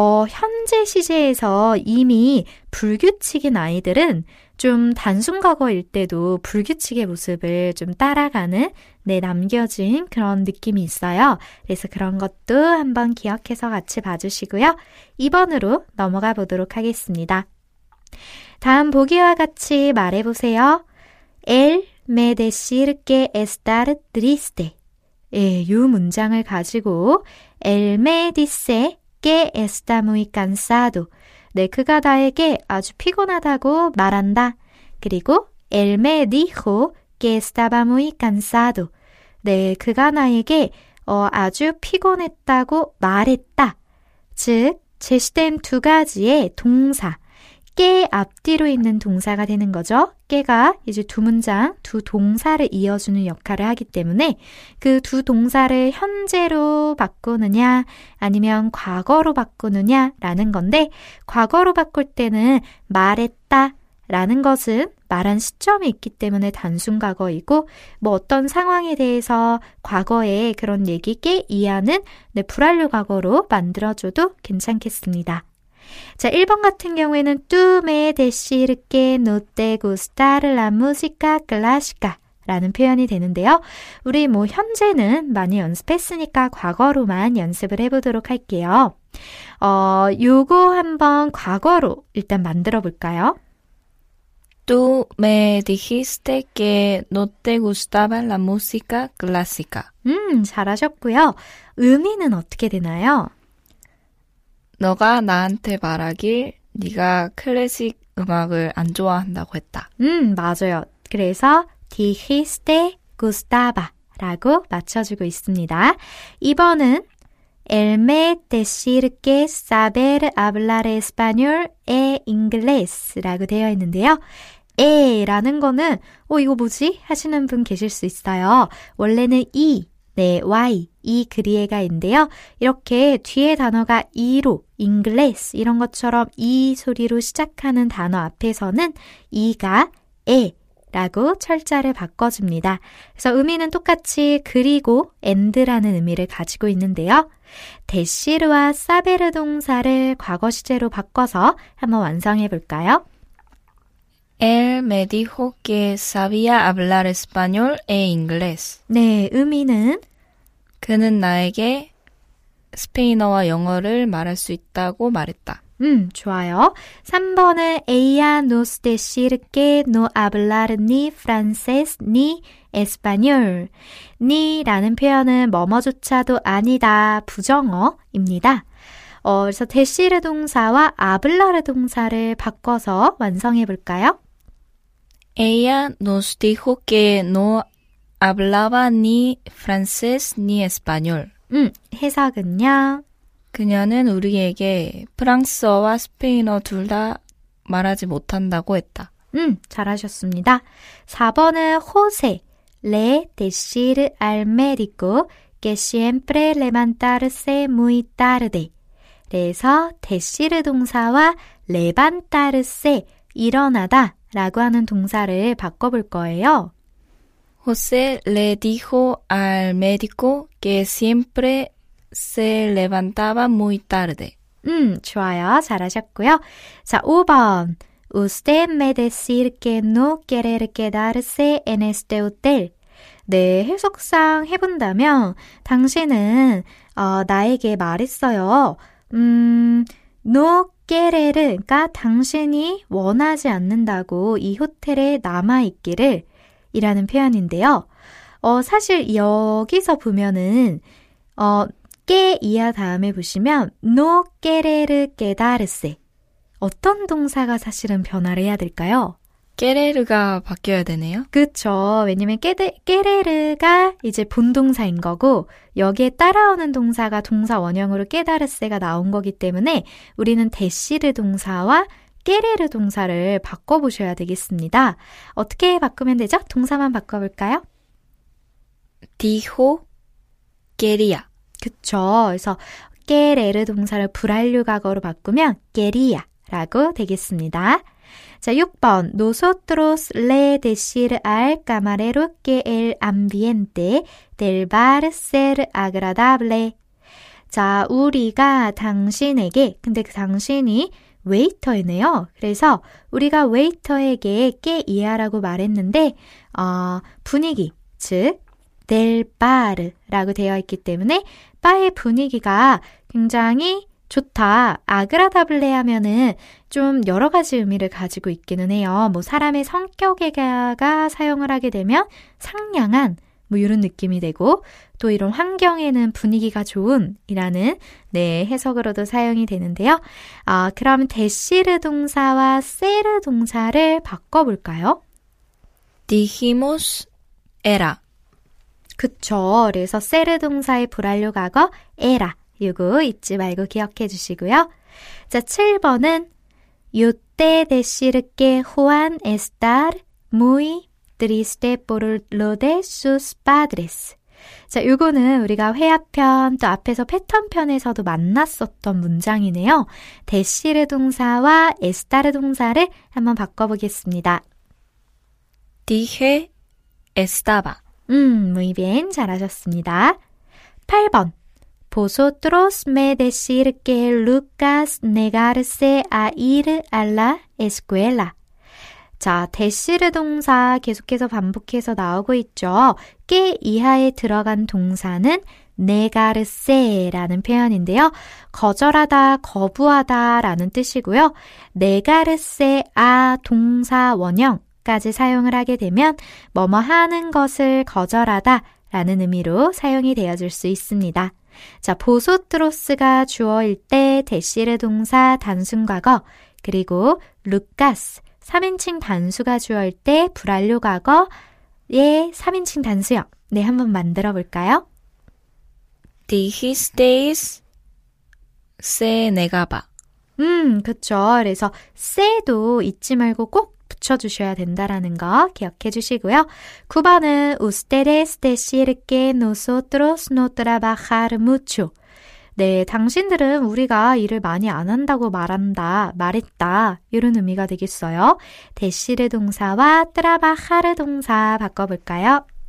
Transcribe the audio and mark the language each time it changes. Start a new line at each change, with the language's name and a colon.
Korean: 현재 시제에서 이미 불규칙인 아이들은 좀 단순 과거일 때도 불규칙의 모습을 좀 따라가는 내 남겨진 그런 느낌이 있어요. 그래서 그런 것도 한번 기억해서 같이 봐주시고요. 2번으로 넘어가 보도록 하겠습니다. 다음 보기와 같이 말해보세요.
Spanish: El me decir que estar triste.
Korean: 예, 요 문장을 가지고
Spanish: El me dice que está muy cansado.
Korean: 네, 그가 나에게 아주 피곤하다고 말한다. 그리고
Spanish: El me dijo que estaba muy cansado.
Korean: 네, 그가 나에게 아주 피곤했다고 말했다. 즉, 제시된 두 가지의 동사 깨 앞뒤로 있는 동사가 되는 거죠. 깨가 이제 두 문장, 두 동사를 이어주는 역할을 하기 때문에 그 두 동사를 현재로 바꾸느냐 아니면 과거로 바꾸느냐라는 건데 과거로 바꿀 때는 말했다라는 것은 말한 시점이 있기 때문에 단순 과거이고 뭐 어떤 상황에 대해서 과거에 그런 얘기 깨 이하는 네, 불완료 과거로 만들어줘도 괜찮겠습니다. 자, 1번 같은 경우에는
Spanish: Tú me decir que no te gusta la música clásica
Korean: 라는 표현이 되는데요. 우리 뭐 현재는 많이 연습했으니까 과거로만 연습을 해보도록 할게요. 요거 한번 과거로 일단 만들어 볼까요?
Spanish: Tú me dijiste que no te gustaba la música clásica.
Korean: 잘하셨고요. 의미는 어떻게 되나요? 너가 나한테 말하길 네가 클래식 음악을 안 좋아한다고 했다. 맞아요. 그래서
Spanish: dijiste gustaba
Korean: 라고 맞춰주고 있습니다. 2번은
Spanish: El me decir que saber hablar español e inglés
Korean: 라고 되어 있는데요. e 라는 거는 이거 뭐지? 하시는 분 계실 수 있어요. 원래는 e, 네, y, 이 그리에가인데요. 이렇게 뒤에 단어가 e로 English 이런 것처럼 이 소리로 시작하는 단어 앞에서는 이가 에라고 철자를 바꿔줍니다. 그래서 의미는 똑같이 그리고 and라는 의미를 가지고 있는데요. 데시르와 사베르 동사를 과거 시제로 바꿔서 한번 완성해 볼까요?
Spanish: Él me dijo que sabía hablar español e inglés.
Korean: 네, 의미는 그는 나에게 스페인어와 영어를 말할 수 있다고 말했다. 좋아요. 3번은
Spanish: Ella nos decir que no hablar ni francés ni español.
Korean: ni라는 표현은 뭐뭐조차도 아니다, 부정어입니다. 그래서 decir 동사와 hablar 동사를 바꿔서 완성해 볼까요?
Spanish: Ella nos dijo que no Hablaba ni francés ni español.
Korean: 해석은요? 그녀는 우리에게 프랑스어와 스페인어 둘 다 말하지 못한다고 했다. 잘하셨습니다. 4번은 José.
Spanish: Le decir al médico que siempre levantarse muy tarde.
Korean: 그래서 decir 동사와 levantarse 일어나다 라고 하는 동사를 바꿔볼 거예요.
Spanish: José le dijo al médico que siempre se levantaba muy tarde.
Korean: 좋아요. 잘하셨고요. 자, 5번.
Spanish: Usted me decir que no quiere quedarse en este hotel.
Korean: 네, 해석상 해본다면 당신은 나에게 말했어요.
Spanish: No quiere,
Korean: 그러니까 당신이 원하지 않는다고 이 호텔에 남아있기를 이라는 표현인데요. 사실 여기서 보면은 깨 이하 다음에 보시면
Spanish: no querer quedarse
Korean: 어떤 동사가 사실은 변화를 해야 될까요? querer가 바뀌어야 되네요. 그렇죠. 왜냐면 querer가 이제 본동사인 거고 여기에 따라오는 동사가 동사 원형으로 quedarse가 나온 거기 때문에 우리는 decir 동사와 깨레르 동사를 바꿔보셔야 되겠습니다. 어떻게 바꾸면 되죠? 동사만 바꿔볼까요?
Spanish: Dijo quería.
Korean: 그쵸. 그래서 깨레르 동사를 불완료 과거로 바꾸면 quería 라고 되겠습니다. 자, 6번.
Spanish: Nosotros le decir al camarero que el ambiente del bar ser agradable.
Korean: 자, 우리가 당신에게, 근데 그 당신이 웨이터이네요. 그래서 우리가 웨이터에게 깨 이하라고 말했는데 분위기, 즉 del bar라고 되어 있기 때문에 바의 분위기가 굉장히 좋다. agradable 하면은 좀 여러 가지 의미를 가지고 있기는 해요. 뭐 사람의 성격에가 사용을 하게 되면 상냥한 뭐 이런 느낌이 되고 또 이런 환경에는 분위기가 좋은 이라는 네 해석으로도 사용이 되는데요. 그럼 데시르 동사와 세르 동사를 바꿔볼까요?
Spanish: Dijimos era.
Korean: 그쵸. 그래서 세르 동사의 불완료 과거 era 이거 잊지 말고 기억해 주시고요. 자, 7번은
Spanish: Yo te deciré que Juan estar muy triste por lo de sus padres.
Korean: 자, 요거는 우리가 회화편 또 앞에서 패턴편에서도 만났었던 문장이네요. 데시르 동사와 에스타르 동사를 한번 바꿔보겠습니다.
Spanish: Dije estaba. Muy bien.
Korean: 잘하셨습니다. 8번.
Spanish: Vosotros me decir que Lucas negarse a ir a la escuela.
Korean: 자, 대시르 동사 계속해서 반복해서 나오고 있죠. 깨 이하에 들어간 동사는 네가르세라는 표현인데요. 거절하다, 거부하다 라는 뜻이고요. 네가르세 아 동사 원형까지 사용을 하게 되면 뭐뭐 하는 것을 거절하다 라는 의미로 사용이 되어질 수 있습니다. 자, 보소트로스가 주어일 때 대시르 동사 단순과거 그리고 루카스 3인칭 단수가 주어일 때 불완료 과거의 3인칭 단수형. 네, 한번 만들어 볼까요?
Spanish: Did he stays se negaba.
Korean: 그렇죠. 그래서 se도 잊지 말고 꼭 붙여 주셔야 된다라는 거 기억해 주시고요. 9번은
Spanish: ustedes decir que nosotros no trabajar mucho.
Korean: 네, 당신들은 우리가 일을 많이 안 한다고 말한다, 말했다 이런 의미가 되겠어요. 데시르 동사와 트라바하르 동사 바꿔볼까요?